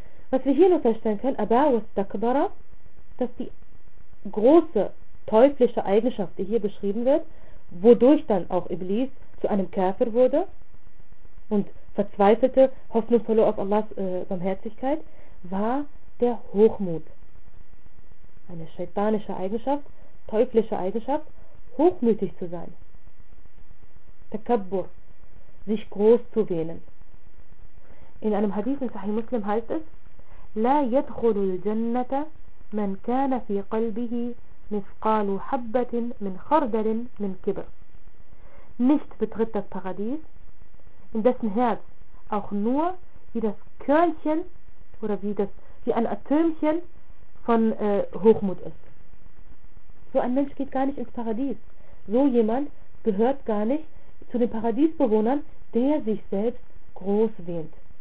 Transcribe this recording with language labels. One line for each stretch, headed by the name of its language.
German: Was wir hier noch feststellen können, aber was Takbara, dass die große teuflische Eigenschaft, die hier beschrieben wird, wodurch dann auch Iblis zu einem Kafir wurde und verzweifelte, Hoffnung verlor auf Allahs Barmherzigkeit, war der Hochmut. Eine schaitanische Eigenschaft, teuflische Eigenschaft, hochmütig zu sein. Takabbur, sich groß zu wähnen. In einem Hadith in Sahih Muslim heißt es:
Arabic: لا يدخل الجنة من كان في قلبه مثقال حبة من خردل من كبر.
German: Nicht betritt das Paradies, in dessen Herz auch nur wie das Körnchen oder wie ein Atömchen von Hochmut ist. So ein Mensch geht gar nicht ins Paradies. So jemand gehört gar nicht zu den Paradiesbewohnern, der sich selbst groß wähnt.